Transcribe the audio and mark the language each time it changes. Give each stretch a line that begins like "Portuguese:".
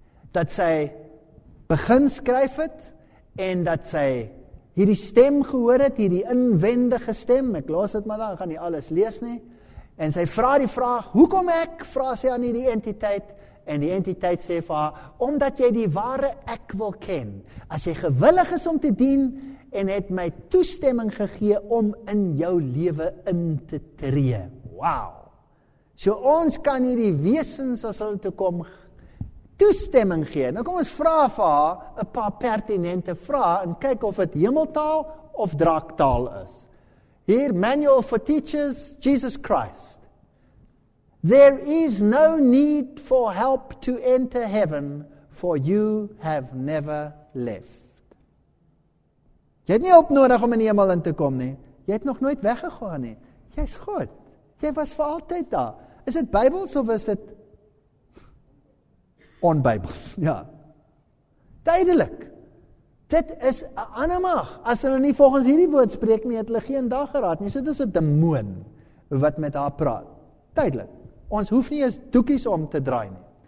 Afrikaans: dat sy begin skryf het, en dat sy hierdie stem gehoor het, hierdie inwendige stem, ek los het maar, dan gaan nie alles lees nie, en sy vra die vraag, hoekom ek, vra sy aan hierdie entiteit, en die entiteit sê vir haar, omdat jy die ware ek wil ken, as jy gewillig is om te dien, en het my toestemming gegee, om in jou lewe in te tree. Wow! So ons kan hierdie wesens, as hulle toe kom, toestemming gee. Nou kom ons vra vir haar 'n paar pertinente vrae en kyk of dit hemeltaal of draaktaal is. Hier, Manual for Teachers, Jesus Christ.
English: There is no need for help to enter heaven, for you have never left.
Afrikaans: Jy het nie hulp nodig om in die hemel in te kom nie. Jy het nog nooit weggegaan nie. Jy is God. Jy was vir altyd daar. Is dit Bybels of is dit onbybels, ja. Tydelik. Dit is 'n ander mag. As hulle nie volgens hierdie woord spreek nie, het hulle geen dag geraad nie. So dit is 'n demoon wat met haar praat. Tydelik. Ons hoef nie eens doekies om te draai nie.